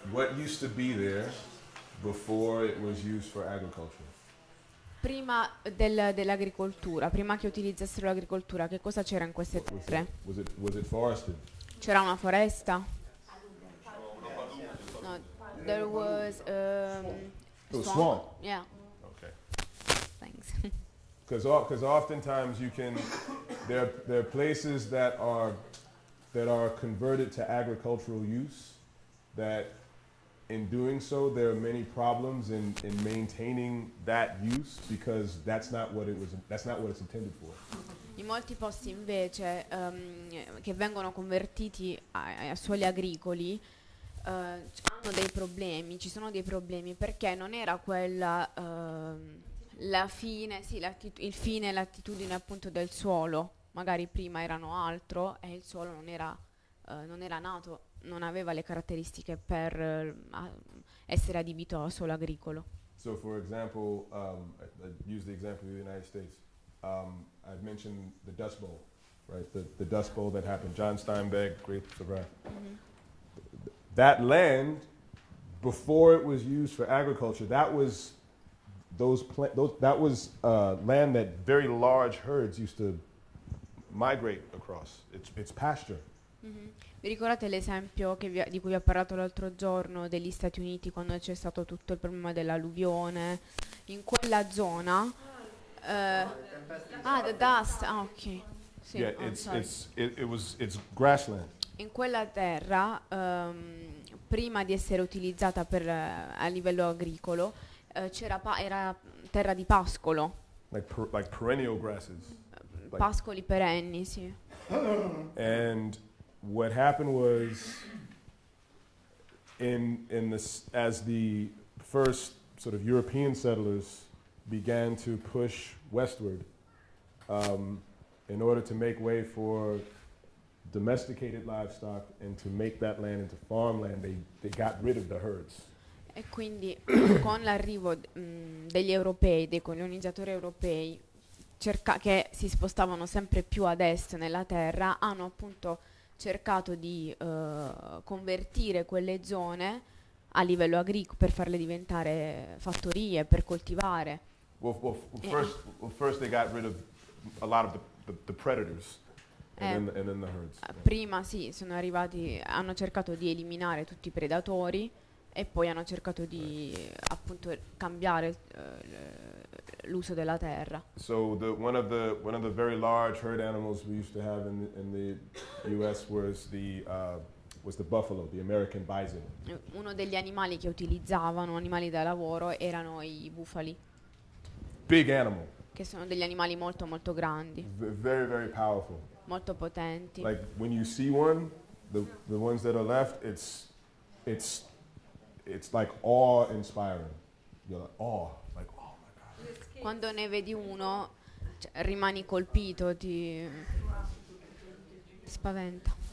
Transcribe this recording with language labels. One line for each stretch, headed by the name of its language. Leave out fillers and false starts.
English: What used to be there before it was used for agriculture?
Italian: Prima dell'agricoltura, prima che utilizzassero l'agricoltura, che cosa c'era in queste terre?
English: Was it forested?
Italian: C'era una foresta?
English: There was a swamp. Yeah. Okay. Thanks. Because oftentimes you can there are places that are converted to agricultural use that in doing so there are many problems in maintaining that use because that's not what it's intended for.
Italian: In molti posti invece che vengono convertiti a suoli agricoli. Hanno dei problemi, ci sono dei problemi perché non era quella il fine e l'attitudine appunto del suolo, magari prima erano altro e il suolo non era nato, non aveva le caratteristiche per essere adibito a suolo agricolo.
English: So for example, I use the example of the United States, I've mentioned the Dust Bowl, right? The Dust Bowl that happened, John Steinbeck, Great Depression. That land, before it was used for agriculture, that was land that very large herds used to migrate across. It's pasture. Mm-hmm.
Italian: Vi ricordate l'esempio di cui vi ho parlato l'altro giorno degli Stati Uniti quando c'è stato tutto il problema dell'alluvione? In quella zona.
English: The dust. Ah, ok.
Italian: Sì,
English: yeah, it's grassland.
Italian: In quella terra. Prima di essere utilizzata a livello agricolo, era terra di pascolo.
English: Like perennial grasses.
Italian: Pascoli
English: like
Italian: perenni, sì.
English: And what happened was, as the first sort of European settlers began to push westward, in order to make way for domesticated livestock and to make that land into farmland, they got rid of the herds.
Italian: E quindi con l'arrivo degli europei, dei colonizzatori europei, che si spostavano sempre più ad est nella terra, hanno appunto cercato di convertire quelle zone a livello agricolo per farle diventare fattorie, per coltivare.
English: Well, first they got rid of a lot of the predators. And then the herds.
Italian: Prima sì, sono arrivati, hanno cercato di eliminare tutti i predatori e poi hanno cercato di appunto cambiare l'uso della terra.
English: So one of the very large herd animals we used to have in the US was the buffalo, the American bison.
Italian: Uno degli animali che utilizzavano, animali da lavoro, erano i bufali.
English: Big animal.
Italian: Che sono degli animali molto molto grandi.
English: Very very powerful.
Italian: Molto potenti.
English: Like when you see one, the ones that are left, it's like awe inspiring. You're like awe, like oh my god.
Italian: Quando ne vedi uno, rimani colpito, ti spaventa.